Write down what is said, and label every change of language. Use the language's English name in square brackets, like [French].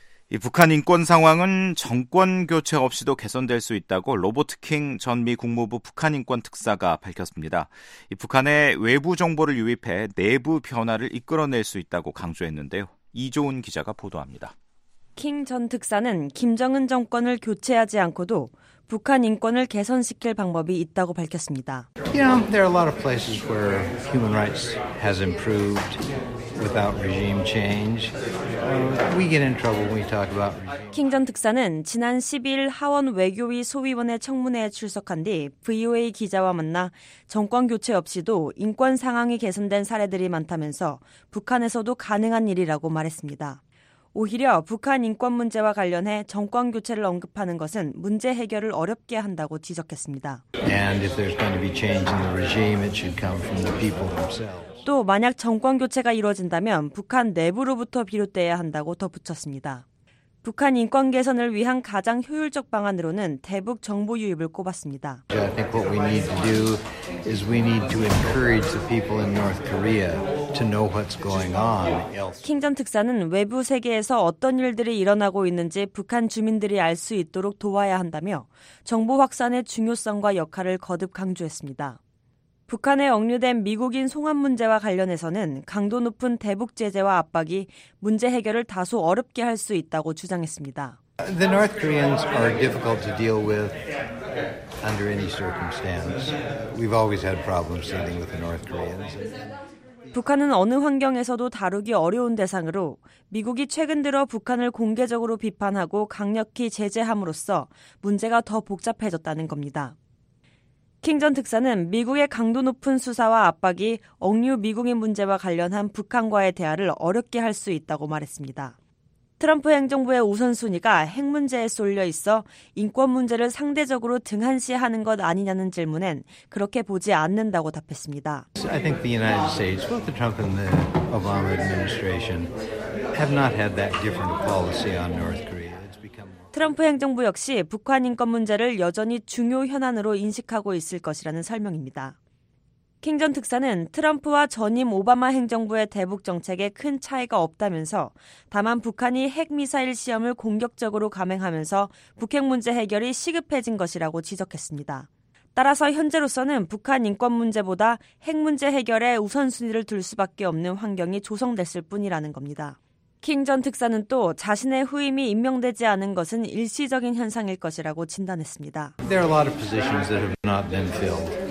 [Korean] 이 북한 인권 상황은 정권 교체 없이도 개선될 수 있다고 로버트 킹 전 미 국무부 북한 인권 특사가 밝혔습니다. 이 북한에 외부 정보를 유입해 내부 변화를 이끌어낼 수 있다고 강조했는데요. 이조은 기자가 보도합니다. 킹 전 특사는 김정은 정권을 교체하지 않고도 북한 인권을 개선시킬 방법이 있다고 밝혔습니다. [English] You know, there are a lot of places where human rights has improved. without regime change, we get in trouble when we talk about regime change. [Korean] 킹 전 특사는 지난 12일 하원 외교위 소위원회 청문회에 출석한 뒤 VOA 기자와 만나 정권 교체 없이도 인권 상황이 개선된 사례들이 많다면서 북한에서도 가능한 일이라고 말했습니다. 오히려 북한 인권 문제와 관련해 정권 교체를 언급하는 것은 문제 해결을 어렵게 한다고 지적했습니다. [English] And if there's going to be change in the regime, it should come from the people themselves. [Korean] 또 만약 정권 교체가 이루어진다면 북한 내부로부터 비롯돼야 한다고 덧붙였습니다. 북한 인권 개선을 위한 가장 효율적 방안으로는 대북 정보 유입을 꼽았습니다. [English] I think what we need to do is we need to encourage the people in North Korea to know what's going on. [Korean] 킹 전 특사는 외부 세계에서 어떤 일들이 일어나고 있는지 북한 주민들이 알 수 있도록 도와야 한다며 정보 확산의 중요성과 역할을 거듭 강조했습니다. 북한에 억류된 미국인 송환 문제와 관련해서는 강도 높은 대북 제재와 압박이 문제 해결을 다소 어렵게 할 수 있다고 주장했습니다. [English] The North Koreans are difficult to deal with under any circumstance. We've always had problems dealing with the North Koreans. [Korean] 북한은 어느 환경에서도 다루기 어려운 대상으로 미국이 최근 들어 북한을 공개적으로 비판하고 강력히 제재함으로써 문제가 더 복잡해졌다는 겁니다. 킹 전 특사는 미국의 강도 높은 수사와 압박이 억류 미국인 문제와 관련한 북한과의 대화를 어렵게 할 수 있다고 말했습니다. 트럼프 행정부의 우선순위가 핵 문제에 쏠려 있어 인권 문제를 상대적으로 등한시하는 것 아니냐는 질문엔 그렇게 보지 않는다고 답했습니다. [English] I think the United States, both the Trump and the Obama administration, have not had that different policy on North Korea. [Korean] 트럼프 행정부 역시 북한 인권 문제를 여전히 중요 현안으로 인식하고 있을 것이라는 설명입니다. 킹 전 특사는 트럼프와 전임 오바마 행정부의 대북 정책에 큰 차이가 없다면서 다만 북한이 핵미사일 시험을 공격적으로 감행하면서 북핵 문제 해결이 시급해진 것이라고 지적했습니다. 따라서 현재로서는 북한 인권 문제보다 핵 문제 해결에 우선순위를 둘 수밖에 없는 환경이 조성됐을 뿐이라는 겁니다. 킹 전 특사는 또 자신의 후임이 임명되지 않은 것은 일시적인 현상일 것이라고 진단했습니다. [English] There are a lot of positions that have not been filled.